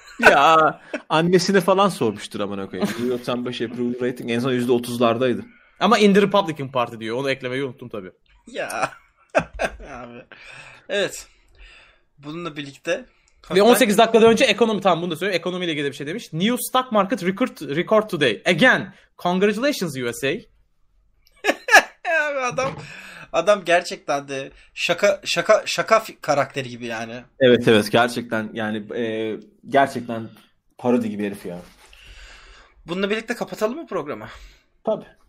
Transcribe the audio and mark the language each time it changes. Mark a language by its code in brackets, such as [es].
[tr] Ya annesini falan sormuştur aman okuyayım. %95 [en] approval rating [tr] en son %30'lardaydı. Ama [en] in the Republican Party [tr] diyor. Onu eklemeyi unuttum tabii. Ya. Abi. Evet. Bununla birlikte... Ve 18 dakikadan önce ekonomi, tamam bunu da söyleyeyim, ekonomiyle ilgili bir şey demiş. [en] New stock market record today. Again, congratulations USA. [tr] Abi adam gerçekten de şaka karakteri gibi yani. Evet evet gerçekten yani gerçekten parodi gibi herif ya. Bununla birlikte kapatalım mı programı? Tabii.